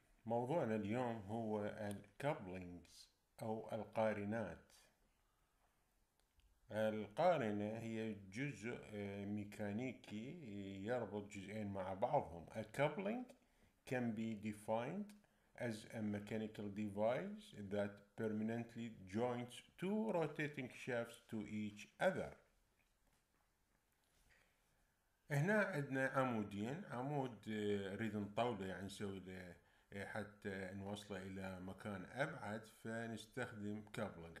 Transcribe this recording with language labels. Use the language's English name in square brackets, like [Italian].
[Arabic] موضوعنا اليوم هو الكابلينجز أو القارنات. القارنة هي جزء ميكانيكي يربط جزئين مع بعضهم. [English] A coupling can be defined as a mechanical device that permanently joins two rotating shafts to each other. [Arabic] هنا عندنا عمودين، عمود نريد نطوله يعني نسوي له حتى نوصله إلى مكان أبعد، فنستخدم كابلنج.